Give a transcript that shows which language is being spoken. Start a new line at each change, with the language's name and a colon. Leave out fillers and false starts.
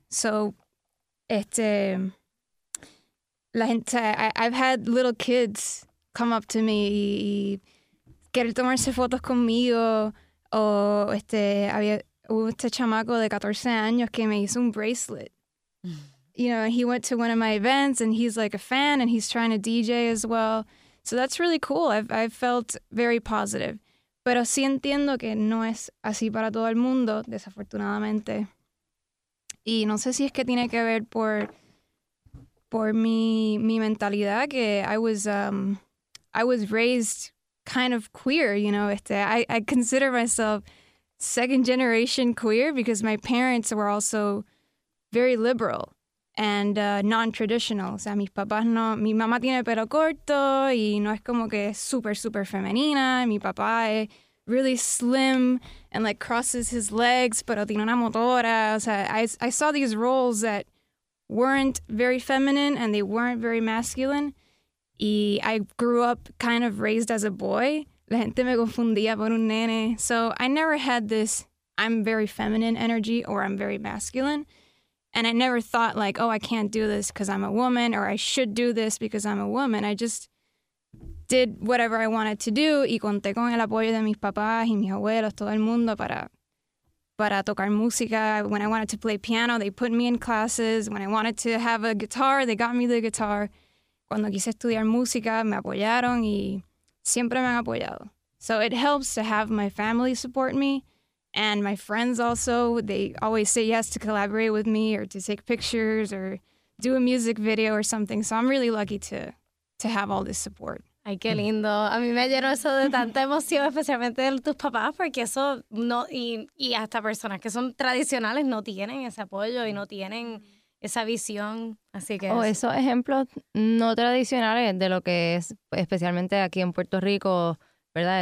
English: So,
Spanish: la gente,
English: I've had little kids come up to me
Spanish: y querer tomarse fotos conmigo, o hubo este chamaco de 14 años que me hizo un bracelet.
English: You know, he went to one of my events and he's like a fan and he's trying to DJ as well. So that's really cool. I've felt very positive.
Spanish: Pero sí entiendo que no es así para todo el mundo, desafortunadamente. Y no sé si es que tiene que ver por mi mentalidad, que
English: I was raised kind of queer, you know. I consider myself second generation queer because my parents were also very liberal and non-traditional.
Spanish: O sea, mis papás no, mi mamá tiene pelo corto y no es como que super, super femenina. Mi papá es
English: really slim and like crosses his legs,
Spanish: pero tiene una motora. O sea,
English: I saw these roles that weren't very feminine and they weren't very masculine. Y I grew up kind of raised as a boy.
Spanish: La gente me confundía por un nene.
English: So I never had this, I'm very feminine energy or I'm very masculine. And I never thought like, oh, I can't do this because I'm a woman or I should do this because I'm a woman. I just did whatever I wanted to do
Spanish: y conté con el apoyo de mis papás y mis abuelos, todo el mundo para tocar música.
English: When I wanted to play piano, they put me in classes. When I wanted to have a guitar, they got me the guitar.
Spanish: Cuando quise estudiar música, me apoyaron y siempre me han apoyado.
English: So it helps to have my family support me. And my friends also, they always say yes to collaborate with me or to take pictures or do a music video or something. So I'm really lucky to have all this support.
Spanish: Ay, qué lindo. A mí me llenó eso de tanta emoción, especialmente de tus papás, porque eso no, y hasta personas que son tradicionales no tienen ese apoyo y no tienen esa visión. Así que esos ejemplos no tradicionales de lo que es, especialmente aquí en Puerto Rico, ¿verdad?